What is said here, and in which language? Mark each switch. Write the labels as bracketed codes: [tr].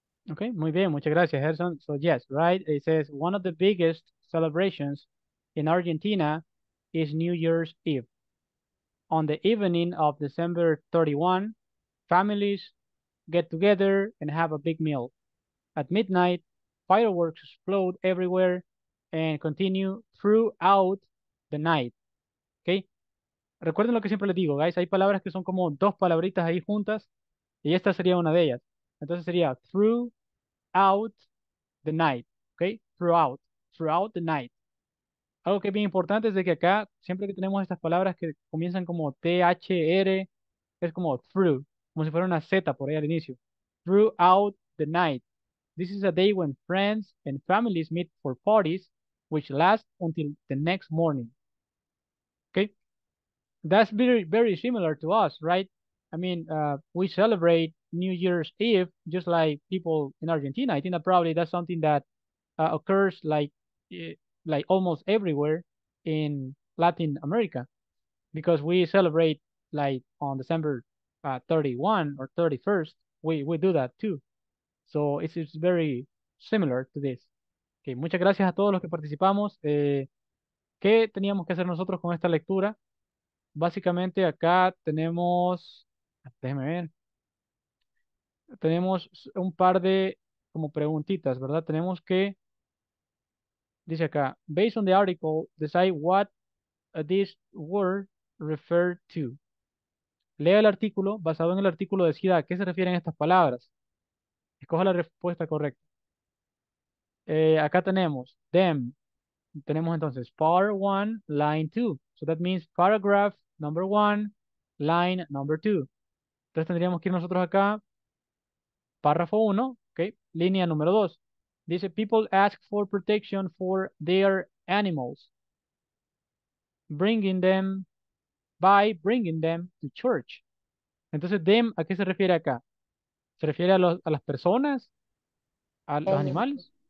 [en] Okay, [es] muy bien, muchas gracias, [en] Gerson. So yes, right, it says one of the biggest celebrations in Argentina is New Year's Eve. On the evening of December 31, families get together and have a big meal. At midnight, fireworks explode everywhere and continue throughout the night. [es] Okay, recuerden lo que siempre les digo, guys, hay palabras que son como dos palabritas ahí juntas, y esta sería una de ellas. Entonces sería [en] through out the night, okay? Throughout the night. [es] Algo que es bien importante es de que acá, siempre que tenemos estas palabras que comienzan como T-H-R, es como through, como si fuera una Z por ahí al inicio. [en] Throughout the night. This is a day when friends and families meet for parties, which last until the next morning. Okay? That's very, very similar to us, right? I mean, we celebrate New Year's Eve, just like people in Argentina. I think that probably that's something that occurs like almost everywhere in Latin America, because we celebrate like on December 31 or 31st. We do that too. So it's very similar to this. [es] Okay, muchas gracias a todos los que participamos. ¿Qué teníamos que hacer nosotros con esta lectura? Básicamente acá tenemos, déjeme ver. Tenemos un par de como preguntitas, ¿verdad? Tenemos que, dice acá, [en] based on the article, decide what this word refer to. [es] Lea el artículo, basado en el artículo, decida a qué se refieren estas palabras. Escoja la respuesta correcta. Acá tenemos, them. Tenemos entonces, [en] part one, line two. So that means paragraph number one, line number two. [es] Entonces tendríamos que ir nosotros acá, párrafo 1, okay, línea número 2. [en] Dice, people ask for protection for their animals. By bringing them to church. [es] Entonces, them, ¿a qué se refiere acá? ¿Se refiere a las personas? ¿A los animales?